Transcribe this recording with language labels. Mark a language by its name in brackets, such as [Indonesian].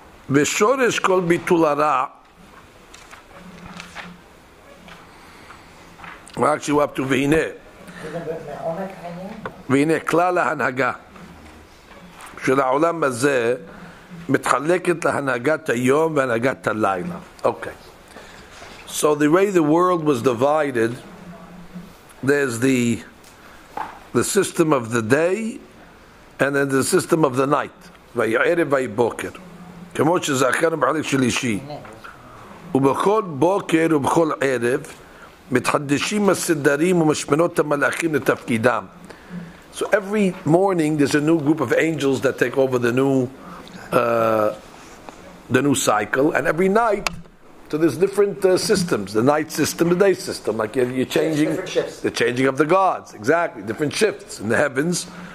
[Hebrew] ושורש כל ביטול הרע, רק שהוא אפטו, והנה כלל ההנהגה של העולם הזה מתחלקת להנהגת היום והנהגת הלילה. [English] Okay. So the way the world was divided, there's the system of the day and then the system of the night. [Hebrew] ויערב ויבוקר. כמו שזכרנו בחלק שלישי, ובכל בוקר ובכל ערב מתחדשים הסדרים ומשמנות המלאכים לתפקידם. [English] So every morning there's a new group of angels that take over the new cycle, and every night, so there's different systems, the night system, the day system, like you're changing the changing of the gods, exactly, different shifts in the heavens.